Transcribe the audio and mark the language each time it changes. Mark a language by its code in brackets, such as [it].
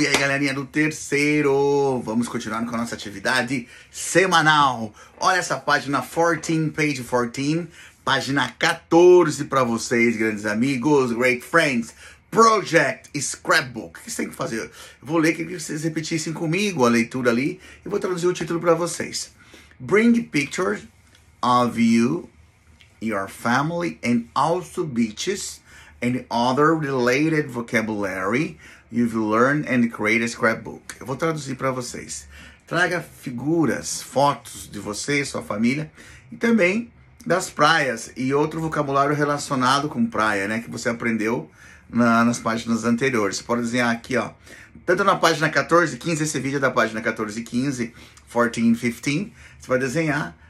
[pt] E aí, galerinha do terceiro! Vamos continuar com a nossa atividade semanal. Olha essa página 14, page 14. Página 14 para vocês, grandes amigos, [en] great friends. [pt] Project Scrapbook. O que vocês têm que fazer? Eu vou ler, que vocês repetissem comigo a leitura ali. E vou traduzir o título para vocês. [en] Bring pictures of you, your family, and also beaches, and other related vocabulary you've learned, and create a scrapbook. [pt] Eu vou traduzir para vocês. Traga figuras, fotos de você e sua família, e também das praias e outro vocabulário relacionado com praia, né, que você aprendeu nas páginas anteriores. Você pode desenhar aqui, ó, tanto na página 14, 15, esse vídeo é da página 14, 15, 14, 15, você vai desenhar.